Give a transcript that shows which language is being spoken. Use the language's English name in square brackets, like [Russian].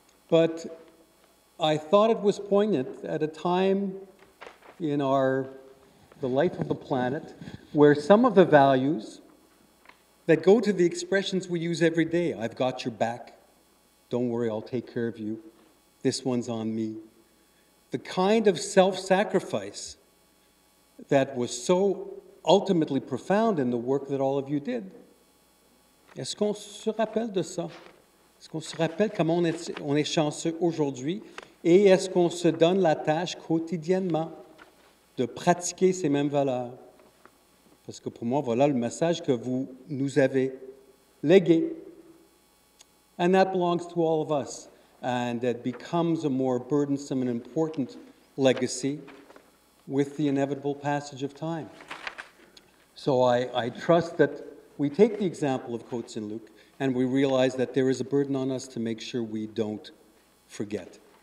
[English] But I thought it was poignant at a time in the life of the planet where some of the values that go to the expressions we use every day, I've got your back, don't worry, I'll take care of you, this one's on me, the kind of self-sacrifice that was so ultimately profound in the work that all of you did. [French] Est-ce qu'on se rappelle de ça? Est-ce qu'on se rappelle comment on est chanceux aujourd'hui? Et est-ce qu'on se donne la tâche quotidiennement de pratiquer ces mêmes valeurs? Parce que pour moi, voilà le message que vous nous avez légué. [English] And that belongs to all of us. And it becomes a more burdensome and important legacy with the inevitable passage of time. So I trust that we take the example of Côte Saint-Luc and we realize that there is a burden on us to make sure we don't forget.